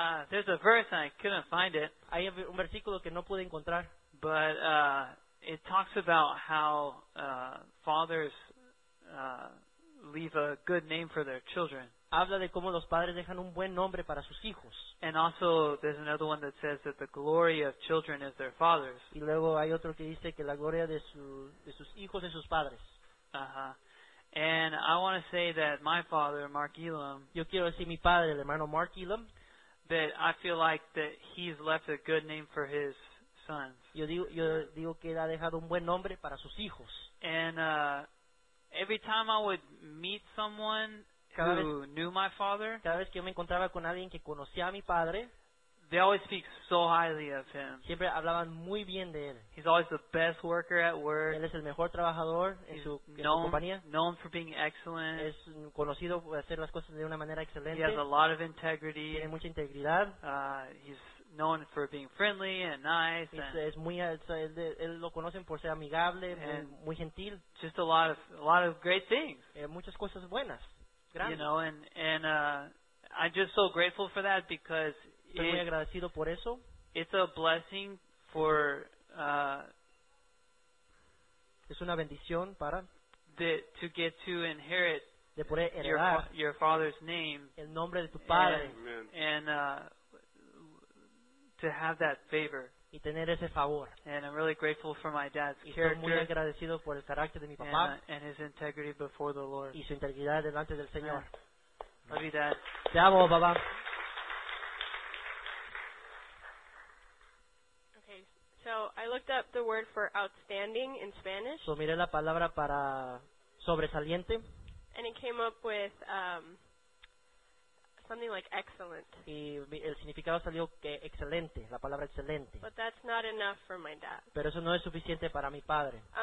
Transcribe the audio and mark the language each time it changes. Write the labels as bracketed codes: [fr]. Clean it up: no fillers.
[en] There's a verse and I couldn't find it. [es] Hay un versículo que no pude encontrar. [en] But it talks about how fathers leave a good name for their children. [es] Habla de cómo los padres dejan un buen nombre para sus hijos. [en] And also, there's another one that says that the glory of children is their fathers. [es] Y luego hay otro que dice que la gloria de sus hijos es sus padres. Uh-huh. [en] And I want to say that my father, Mark Elam. [es] Yo quiero decir mi padre, el hermano Mark Elam. [en] That I feel like that he's left a good name for his sons. [es] Yo digo que él ha dejado un buen nombre para sus hijos. [en] And every time I would meet someone. Who knew my father? [es] Cada vez que yo me encontraba con alguien que conocía a mi padre, [en] they always speak so highly of him. [es] Siempre hablaban muy bien de él. [en] He's always the best worker at work. [es] Él es el mejor trabajador en su compañía. [en] Known for being excellent. [es] Es conocido por hacer las cosas de una manera excelente. [en] He has a lot of integrity. [es] Tiene mucha integridad. [en] He's known for being friendly and nice. [es] Él lo conocen por ser amigable, muy gentil. [en] Just a lot of great things. [es] Muchas cosas buenas. [en] You know, and I'm just so grateful for that because [es] estoy muy agradecido por eso. [en] It's a blessing for [es] es una bendición para [en] to get to inherit [es] de poder heredar [en] your father's name, [es] el nombre de tu padre, [en] and to have that favor. [es] Y tener ese favor. [en] And I'm really grateful for my dad's [es] y [en] character. [es] Estoy muy agradecido por el carácter de mi papá. [en] And his integrity before the Lord. [es] Y su integridad delante del Señor. [en] Yeah. Love you, Dad. [es] Te amo, papá. [en] Okay, so I looked up the word for outstanding in Spanish. [es] So miré la palabra para sobresaliente. [en] And it came up with something like excellent. [es] Y el significado salió que excelente, la palabra excelente. [en] But that's not enough for my dad. [es] Pero eso no es suficiente para mi padre.